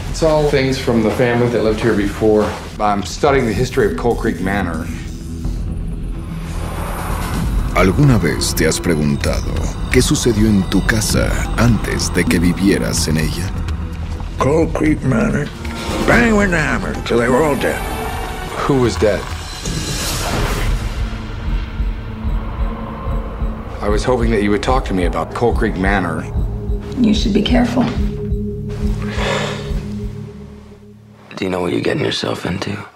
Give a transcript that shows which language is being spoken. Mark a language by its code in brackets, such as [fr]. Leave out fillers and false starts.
[en] It's all things from the family that lived here before. I'm studying the history of Cold Creek Manor. [es] ¿Alguna vez te has preguntado qué sucedió en tu casa antes de que vivieras en ella? [en] Cold Creek Manor. Bang with the hammer until they were all dead. Who was dead? I was hoping that you would talk to me about Cold Creek Manor. You should be careful. Do you know what you're getting yourself into?